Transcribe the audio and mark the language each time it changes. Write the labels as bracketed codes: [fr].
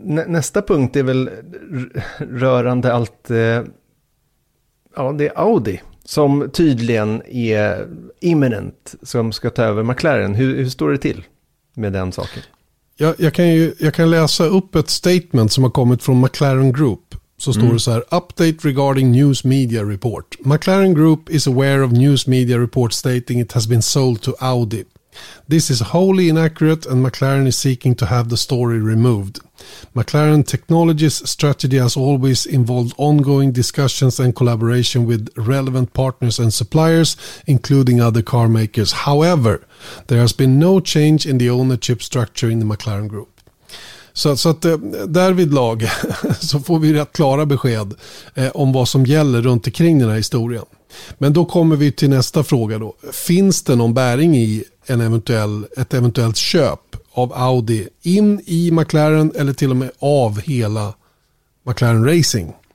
[sv] Nästa punkt är väl rörande allt ja, det är Audi som tydligen är imminent som ska ta över McLaren. Hur står det till med den saken? Jag kan läsa upp ett statement som har kommit från McLaren Group. Så står det så här, [en] update regarding news media report. McLaren Group is aware of news media report stating it has been sold to Audi. This is wholly inaccurate and McLaren is seeking to have the story removed. McLaren Technologies strategy has always involved ongoing discussions and collaboration with relevant partners and suppliers, including other car makers. However, there has been no change in the ownership structure in the McLaren Group. [sv] Så att därvid lag så får vi rätt klara besked om vad som gäller runt omkring den här historien. Men då kommer vi till nästa fråga då. Finns det någon bäring i ett eventuellt köp av Audi in i McLaren eller till och med av hela McLaren Racing?